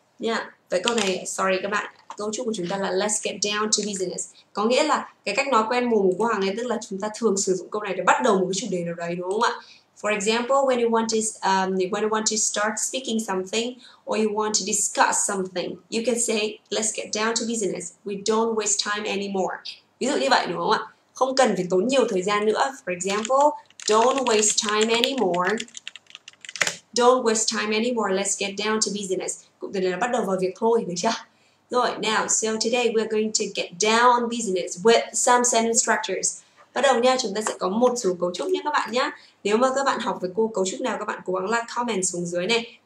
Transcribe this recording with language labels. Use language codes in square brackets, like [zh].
[vi] Yeah, vậy câu này, sorry các bạn, cấu trúc của chúng ta là [en] let's get down to business. [vi] Có nghĩa là cái cách nói quen mồm của Hằng ấy, tức là chúng ta thường sử dụng câu này để bắt đầu một cái chủ đề nào đấy, đúng không ạ? [en] For example, when you want to start speaking something or you want to discuss something, you can say let's get down to business. We don't waste time anymore. [vi] Ví dụ như vậy, đúng không ạ? Không cần phải tốn nhiều thời gian nữa. [en] For example, don't waste time anymore. Let's get down to business. [vi] Cụm từ này là bắt đầu vào việc thôi, được chưa? [en] Rồi, now, so today we're going to get down on business with some sentence structures. [vi] Bắt đầu nha, chúng ta sẽ có một số cấu trúc nha các bạn nhá. Nếu mà các bạn học với cô cấu trúc nào, các bạn cố gắng like comment xuống dưới này.